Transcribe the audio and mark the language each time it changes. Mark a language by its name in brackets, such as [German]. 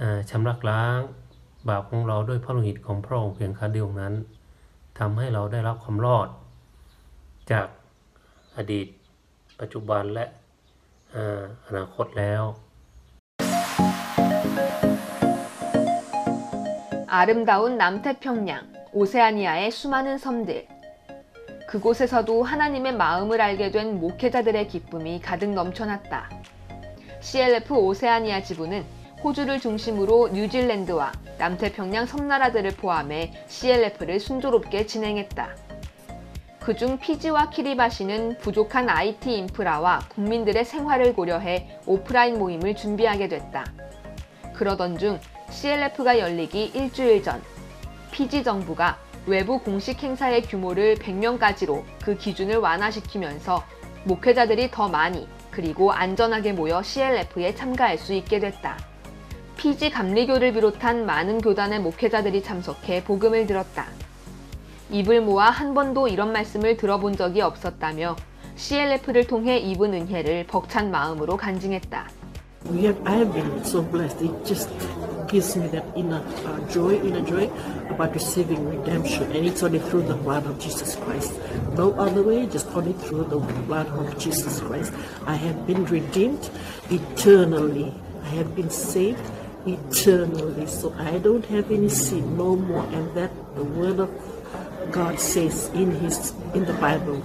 [Thai] ชำระล้างบาปของเราด้วยพระโลหิตของพระองค์เพียงครั้งเดียวนั้นทำให้เราได้รับความรอดจากอดีตปัจจุบันและอนาคตแล้ว [Korean] 아름다운 남태평양, 오세아니아의 수많은 섬들. 그곳에서도 하나님의 마음을 알게 된 목회자들의 기쁨이 가득 넘쳐났다. CLF 오세아니아 지부는 호주를 중심으로 뉴질랜드와 남태평양 섬나라들을 포함해 CLF를 순조롭게 진행했다. 그중 피지와 키리바시는 부족한 IT 인프라와 국민들의 생활을 고려해 오프라인 모임을 준비하게 됐다. 그러던 중 CLF가 열리기 일주일 전, 피지 정부가 외부 공식 행사의 규모를 100명까지로 그 기준을 완화시키면서 목회자들이 더 많이 그리고 안전하게 모여 CLF에 참가할 수 있게 됐다. 피지 감리교를 비롯한 많은 교단의 목회자들이 참석해 복음을 들었다. 입을 모아 한 번도 이런 말씀을 들어본 적이 없었다며 CLF를 통해 입은 은혜를 벅찬 마음으로 간증했다. [English] I have been so blessed. It just gives me that inner joy about receiving redemption, and it's only through the blood of Jesus Christ. No other way, just only through the blood of Jesus Christ. I have been redeemed eternally. I have been saved eternally, so I don't have any sin no more, and that the word of God says in the Bible.